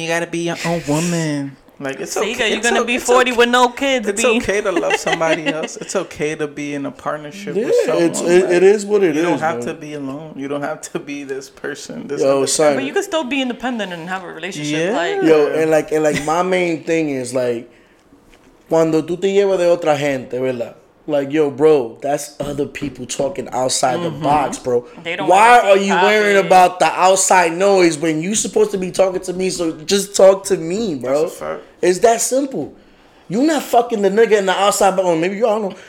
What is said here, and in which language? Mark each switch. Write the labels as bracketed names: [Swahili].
[English] You gotta be your own woman. Like, it's okay. You're gonna be 40 with no kids. It's okay to love somebody else. It's okay to be in a partnership with someone. It is what it is. You don't have to be alone. You don't have to be this person. Yo, son. But you can still be independent and have a relationship. Yeah. And my main thing is, like, [Spanish] cuando tú te llevas de otra gente, ¿verdad? [English] Like, yo, bro, that's other people talking outside the box, bro. Why are you worrying about the outside noise when you supposed to be talking to me? So just talk to me, bro. It's that simple. You're not fucking the nigga in the outside, but maybe you all know.